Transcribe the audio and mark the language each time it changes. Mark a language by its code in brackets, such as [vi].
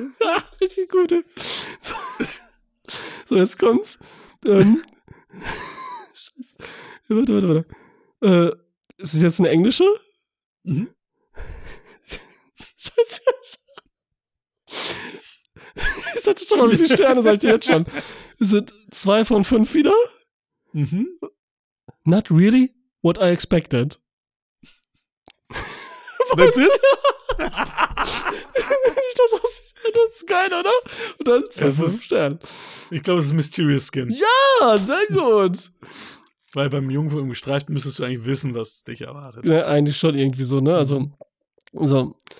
[de] Ja, richtig gut. So, jetzt kommt's. Scheiße. Warte. Ist es jetzt eine englische? Mhm. Scheiße. Ich hatte schon, wie viele Sterne seid ihr jetzt schon? Es sind 2 von 5 wieder. Mhm. [en] Not really what I expected. That's it? [de] Ich das aussieht, das ist geil, oder? Und dann 2 von 5 Sternen. Ich glaube, es ist Mysterious Skin. Ja, sehr gut. Weil beim Jungen im Gestreiften müsstest du eigentlich wissen, was dich erwartet. Ja, eigentlich schon irgendwie so, ne? Also, so.